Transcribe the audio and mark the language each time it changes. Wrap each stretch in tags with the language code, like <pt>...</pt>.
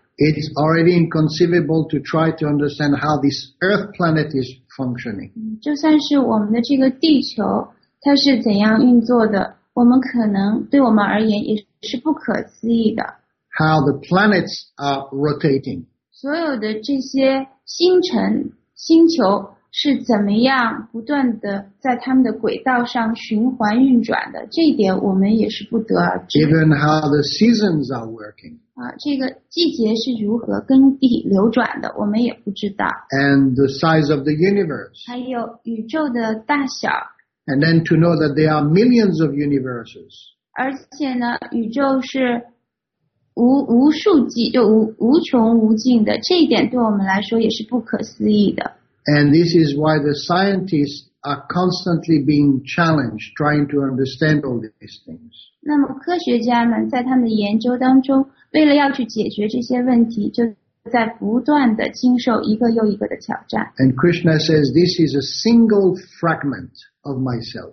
<en>It's already inconceivable to try to understand how this earth planet is functioning.</en> <zh>就算是我们的这个地球它是怎样运作的，我们可能对我们而言也是不可思议的。</zh> <en>How the planets are rotating.</en> <zh>所有的这些星辰星球是怎么样不断的在它们的轨道上循环运转的，这一点我们也是不得而知。</zh> <en>Even how the seasons are working.</en> <zh>这个季节是如何更替流转的，我们也不知道。</zh> <en>And the size of the universe.</en> <zh>还有宇宙的大小。</zh> <en>And then to know that there are millions of universes.</en> <zh>而且呢，宇宙是无数计，就无穷无尽的，这一点对我们来说也是不可思议的。</zh> <en>And this is why the scientists are constantly being challenged, trying to understand all these things.</en> <zh>那么科学家们在他们的研究当中，为了要去解决这些问题，就在不断的经受一个又一个的挑战。</zh> <en>And Krishna says, "This is a single fragment of myself."</en>